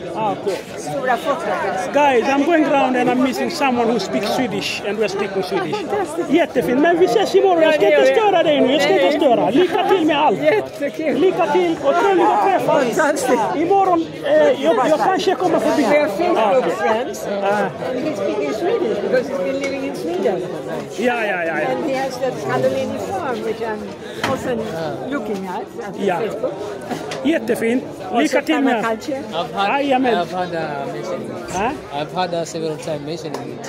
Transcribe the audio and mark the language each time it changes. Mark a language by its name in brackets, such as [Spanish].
[English] Guys, I'm going around and I'm missing someone who speaks Swedish and we're speaking Swedish. [Swedish] Jättefint. Men vi ses imorgon. Jag ska inte störa dig nu. Jag ska inte störa. Lycka till med allt. Jättekul. Lycka till och trevlig att träffa. Fantastiskt. Imorgon, jag kanske kommer förbi. Vi har Facebook friends. [English] And he's speaking Swedish because he's been living in Sweden. Yeah. And he has that Catalini form which I'm often looking at on Facebook. [Swedish] Jättefint. Lycka till med allt. [English] I've had several times mentioning it.